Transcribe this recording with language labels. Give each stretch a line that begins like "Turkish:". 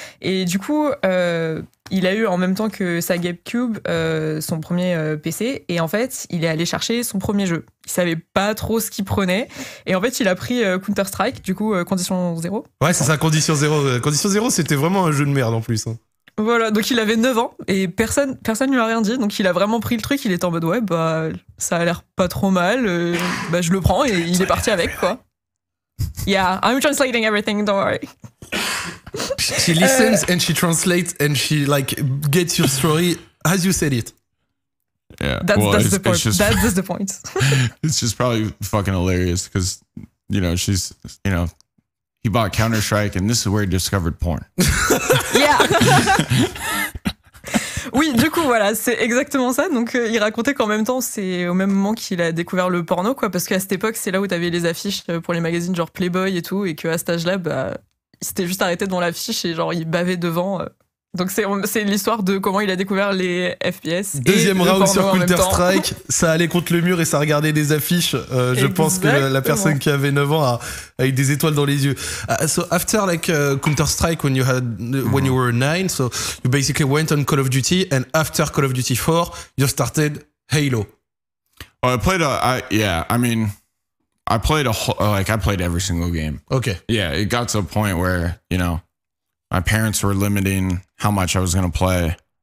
French: Et du coup il a eu en même temps que sa GameCube son premier PC et en fait il est allé chercher son premier jeu, il savait pas trop ce qu'il prenait et en fait il a pris Counter-Strike du coup Condition Zéro. Ouais c'est ça, Condition Zéro. Condition Zéro c'était vraiment un jeu de merde en plus hein. Voilà, donc il avait 9 ans et personne lui a rien dit, donc il a vraiment pris le truc, il était en mode ouais bah ça a l'air pas trop mal, bah je le prends et il est parti avec quoi.
English: Yeah, I'm translating everything, don't worry. She listens and she translates and she like gets your story as you said it. Yeah, that's the point. It's just probably fucking hilarious because you know she's, you know, he bought Counter-Strike and this is where he discovered porn. Yeah.
French: Oui, du coup, voilà, c'est exactement ça. Donc, il racontait qu'en même temps, c'est au même moment qu'il a découvert le porno, quoi. Parce qu'à cette époque, c'est là où t'avais les affiches pour les magazines, genre Playboy et tout. Et qu'à cet âge-là, bah, il s'était juste arrêté devant l'affiche et genre, il bavait devant. Donc, c'est l'histoire de comment il a découvert les FPS. Deuxième et round le porno sur Counter-Strike. Ça allait contre le mur et ça regardait des affiches. Je pense que la personne qui avait 9 ans a eu des étoiles dans les yeux.
English: So, after like Counter-Strike, when you were 9, so you basically went on Call of Duty. And after Call of Duty 4, you started Halo. Oh, I played I played every single game. Okay. Yeah, it got to a point where, you know, my parents were limiting how much I was going to play.